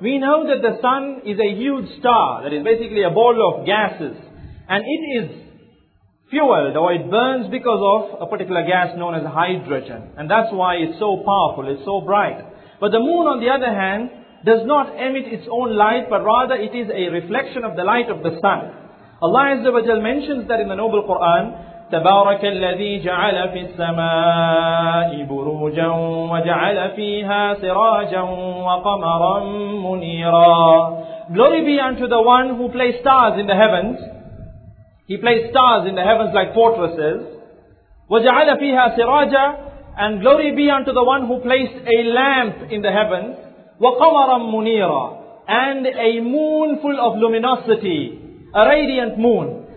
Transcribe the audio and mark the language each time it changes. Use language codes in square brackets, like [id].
[en] We know that the sun is a huge star that is basically a ball of gases, and it is fueled, or it burns because of a particular gas known as hydrogen, and that's why it's so powerful, it's so bright. But the moon, on the other hand, does not emit its own light, but rather it is a reflection of the light of the sun. Allah Azza wa Jal mentions that in the Noble Quran, [ar] تبارك الذي جعل في السماء بروجا وجعل فيها سراجا وقمرا منيرا. [en] Glory be unto the one who placed stars in the heavens. He placed stars in the heavens like fortresses. [ar] وجعل فيها سراجا. [en] And glory be unto the one who placed a lamp in the heavens. [ar] وقمرا منيرا. [en] And a moon full of luminosity. A radiant moon.